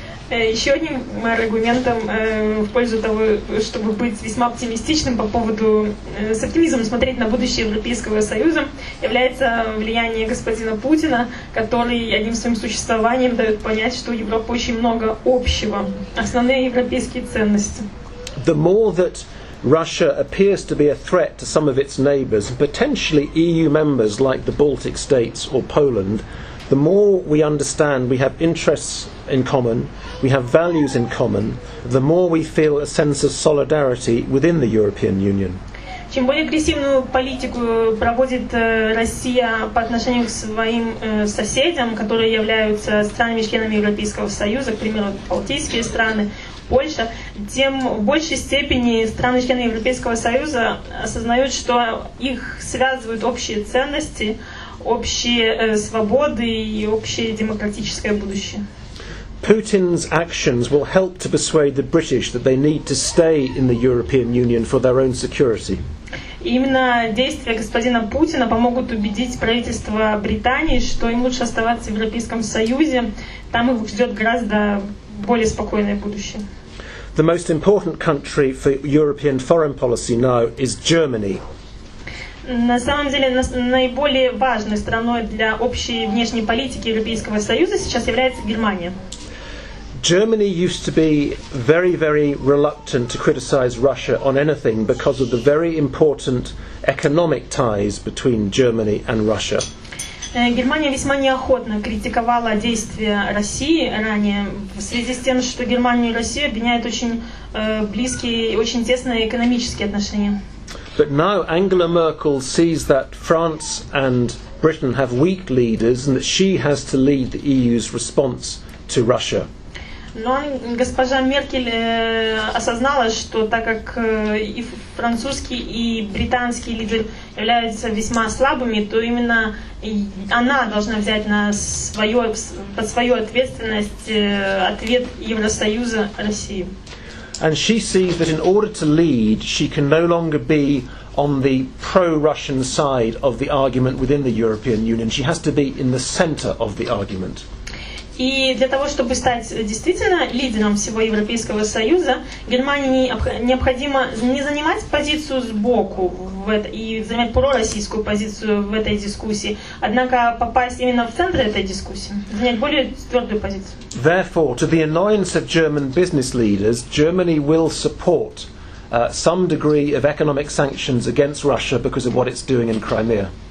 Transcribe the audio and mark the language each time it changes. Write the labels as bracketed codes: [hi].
[ru] Еще одним аргументом в пользу того, чтобы быть весьма оптимистичным по поводу, с оптимизмом смотреть на будущее Европейского Союза, является влияние господина Путина, который одним своим существованием дает понять, что у Европы очень много общего, основные европейские ценности. [en] The more that Russia appears to be a threat to some of its neighbors, potentially EU members like the Baltic states or Poland, the more we understand we have interests in common, we have values in common, the more we feel a sense of solidarity within the European Union. [ru] Чем более агрессивную политику проводит Россия по отношению к своим соседям, которые являются странами-членами Европейского Союза, к примеру, балтийские страны, Польша, тем в большей степени страны-члены Европейского Союза осознают, что их связывают общие ценности, общие свободы и общее демократическое будущее. [en] Putin's actions will help to persuade the British that they need to stay in the European Union for their own security. [ru] Именно действия господина Путина помогут убедить правительство Британии, что им лучше оставаться в Европейском Союзе, там их ждет гораздо более спокойное будущее. [en] The most important country for European foreign policy now is Germany. [ru] На самом деле, наиболее важной страной для общей внешней политики Европейского Союза сейчас является Германия. [en] Germany used to be very, very reluctant to criticize Russia on anything because of the very important economic ties between Germany and Russia. [ru] Германия весьма неохотно критиковала действия России ранее в связи с тем, что Германию и Россию объединяют очень близкие и очень тесные экономические отношения. [en] But now Angela Merkel sees that France and Britain have weak leaders and that she has to lead the EU's response to Russia. [ru] Но госпожа Меркель осознала, что так как и французский, и британский лидер являются весьма слабыми, то именно она должна взять на свое, под свою ответственность ответ Евросоюза России. [en] And she sees that in order to lead, she can no longer be on the pro-Russian side of the argument within the European Union. She has to be in the center of the argument. [ru] И для того, чтобы стать действительно лидером всего Европейского Союза, Германии необходимо не занимать позицию сбоку и занимать пророссийскую позицию в этой дискуссии, однако попасть именно в центр этой дискуссии, занять более твердую позицию. [en] Therefore, to the annoyance of German business leaders, Germany will support some degree of economic sanctions against Russia because of what it's doing in Crimea.